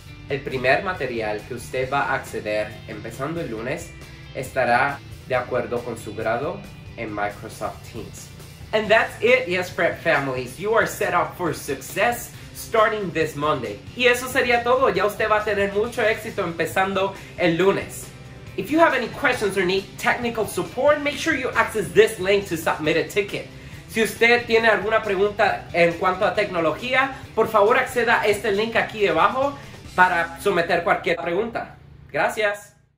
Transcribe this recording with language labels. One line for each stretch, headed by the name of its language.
Spanish: El primer material que usted va a acceder empezando el lunes estará de acuerdo con su grado en Microsoft Teams.
English: And that's it, Yes Prep families. You are set up for success starting this Monday.
Spanish: Y eso sería todo. Ya usted va a tener mucho éxito empezando el lunes.
English: If you have any questions or need technical support, make sure you access this link to submit a ticket.
Spanish: Si usted tiene alguna pregunta en cuanto a tecnología, por favor acceda a este link aquí debajo para someter cualquier pregunta. Gracias.